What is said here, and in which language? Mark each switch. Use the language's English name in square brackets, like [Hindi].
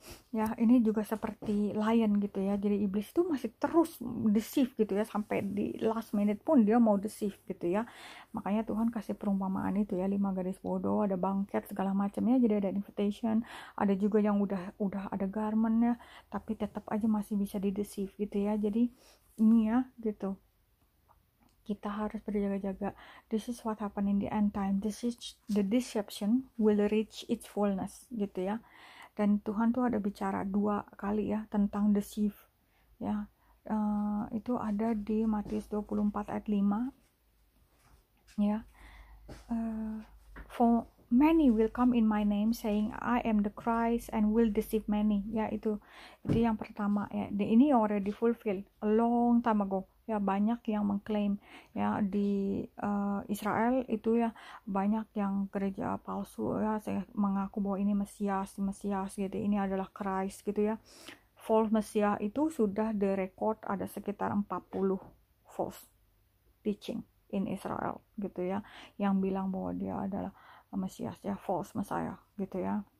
[Indonesian] Ya, ini juga seperti lion gitu ya. Jadi iblis itu masih terus deceive gitu ya, sampai di last minute pun dia mau deceive gitu ya. Makanya Tuhan kasih perumpamaan itu ya, 5 gadis bodoh, ada bangket segala macamnya. Jadi ada invitation, ada juga yang udah ada garmentnya, tapi tetap aja masih bisa di deceive gitu ya. Jadi ini ya gitu. Kita harus berjaga-jaga. [English] This is what happened in the end time. This is the deception will reach its fullness [Indonesian] gitu ya. Dan Tuhan tuh ada bicara dua kali ya tentang deceive ya. Itu ada di Matius 24 ayat 5 ya. [English] For many will come in my name saying I am the Christ and will deceive many. [Indonesian] Ya, itu yang pertama ya. Dan ini [English] already fulfilled a long time ago. [Indonesian] Ya, banyak yang mengklaim ya di Israel itu ya, banyak yang gereja palsu ya, saya mengaku bahwa ini mesias gitu, ini adalah Christ gitu ya. False mesias itu sudah direcord ada sekitar 40 [English] false teaching in Israel [Indonesian] gitu ya, yang bilang bahwa dia adalah mesias ya, false mesias gitu ya.